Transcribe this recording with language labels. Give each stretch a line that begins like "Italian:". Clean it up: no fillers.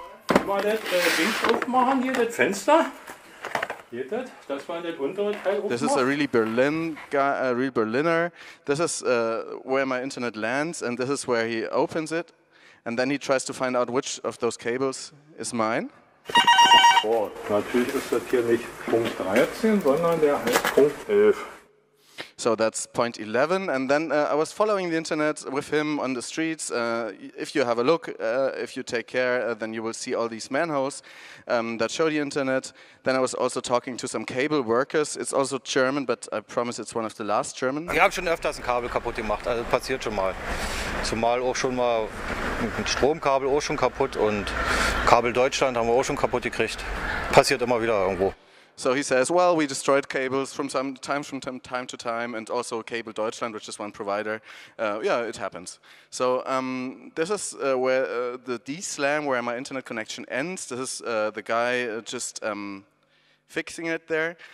English: This is a really Berlin guy, a real Berliner. This is where my internet lands, and this is where he opens it, and then he tries to find out which of those cables is mine.
German: Oh, natürlich ist das hier nicht Punkt 13, sondern der Punkt 11.
English: So that's point 11. And then I was following the internet with him on the streets. If you have a look, if you take care, then you will see all these manholes that show the internet. Then I was also talking to some cable workers. It's also German, but I promise it's one of the last German.
German: Wir haben schon öfters ein Kabel kaputt gemacht. Also passiert schon mal. Zumal auch schon mal ein Stromkabel auch schon kaputt und Kabel Deutschland haben wir auch schon kaputt gekriegt. Passiert immer wieder irgendwo.
English: So he says, well, we destroyed cables from time to time, and also Cable Deutschland, which is one provider. Yeah, it happens. So this is where the D-slam, where my internet connection ends. This is the guy just fixing it there.